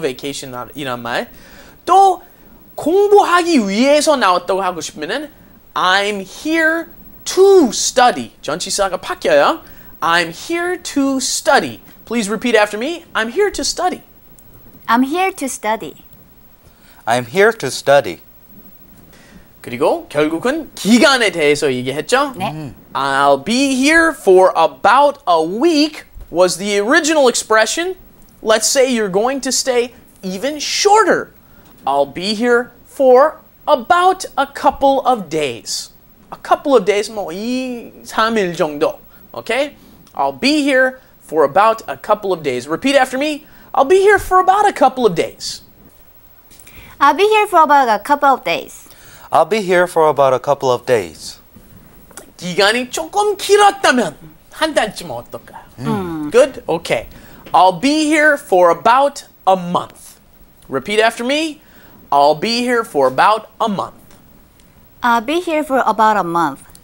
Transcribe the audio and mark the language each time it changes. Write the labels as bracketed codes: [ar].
[ko] Vacation 이란 말. 또 공부하기 위해서 나왔다고 하고 싶으면은 [en] I'm here to study. [ko] 전치사가 바뀌어요. [en] I'm here to study. Please repeat after me. I'm here to study. I'm here to study. I'm here to study. [ko] 그리고 결국은 기간에 대해서 얘기했죠? 네. [en] I'll be here for about a week was the original expression. Let's say you're going to stay even shorter. I'll be here for about a couple of days. A couple of days, [ko] 뭐 2, 3일 정도. [en] Okay? I'll be here for about a couple of days. Repeat after me. I'll be here for about a couple of days. I'll be here for about a couple of days. I'll be here for about a couple of days. [ko] 기간이 조금 길었다면 한 달쯤 어떨까? [en] Good? Okay. I'll be here for about a month. Repeat after me. I'll be here for about a month. I'll be here for about a month.